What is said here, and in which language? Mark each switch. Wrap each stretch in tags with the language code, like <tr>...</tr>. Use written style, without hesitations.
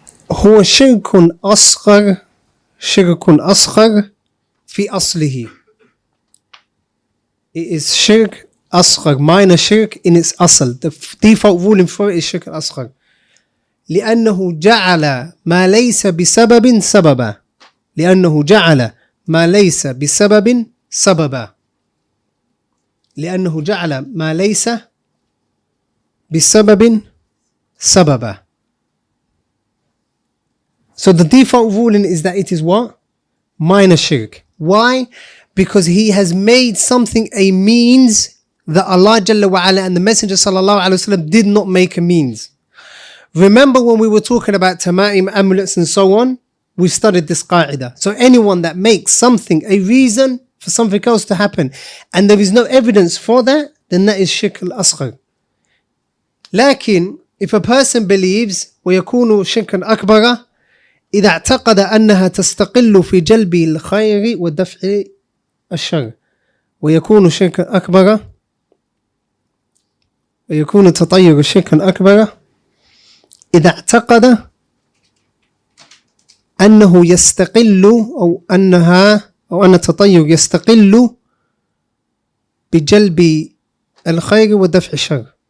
<ar>هو شرك أصغر شرك أصغر في أصله.</ar> <en>It is shirk أصغر, minor shirk in its أصل. The default ruling for it is shirk أصغر.</en> <ar>لأنه جعل ما ليس بسبب سببا. لأنه جعل ما ليس بسبب سببا. لأنه جعل ما ليس بسبب سببا.</ar> <en>So the default ruling is that it is what? Minor shirk. Why? Because he has made something a means that Allah Jalla wa'ala and the Messenger Sallallahu Alaihi Wasallam did not make a means. Remember when we were talking about tamaim, amulets and so on? We studied this qa'idah. So anyone that makes something a reason for something else to happen and there is no evidence for that, then that is shirk al-asghar.</en> <ar>Lakin,</ar> <en>if a person believes,</en> <ar>وَيَكُونُ شِرْكًا أَكْبَرًا إذا اعتقد أنها تستقل في جلب الخير ودفع الشر ويكون شركا أكبر ويكون تطير شركا أكبر إذا اعتقد أنه يستقل أو أنها أو أن التطير يستقل بجلب الخير ودفع الشر.</ar>